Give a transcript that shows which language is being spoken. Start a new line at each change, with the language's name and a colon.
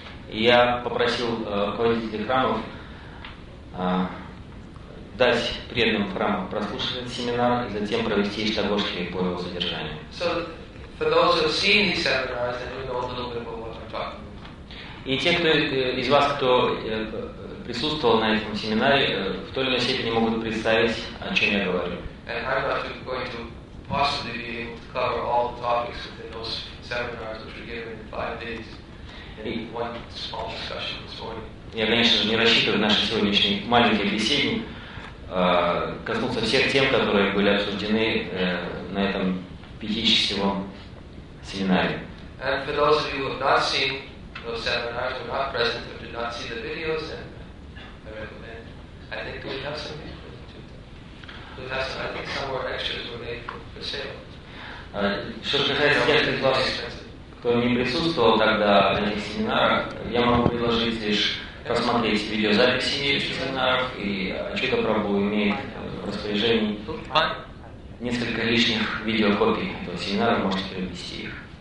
Russian: Я попросил руководителей храмов дать преданным в храмах прослушать этот семинар и затем провести иштагошки по его содержанию.
English: For those who have seen these seminars, then you know a little bit about what I'm talking about.
Russian: И те, кто из вас, кто присутствовал на этом семинаре, в той или иной степени могут представить, о чем я говорю.
English: And I'm not going to possibly be able to cover all the topics within those seminars, which were given in 5 days in one small discussion this morning.
Russian: Я, конечно, не рассчитываю наши сегодняшние маленькие беседы коснуться всех тем, которые были обсуждены на этом пятичасовом семинаре.
English: And for those of you who have not seen those seminars, who are not present, who did not see the videos, then I recommend. I think we have some extras. We have some. I think some more extras were made for sale.
Russian: Что касается тех из вас, кто не присутствовал тогда на этих семинарах, я могу предложить лишь посмотреть видеозаписи семинаров и что-то пробую иметь в распоряжении. Несколько лишних видеокопий этого семинара, можете приобрести их.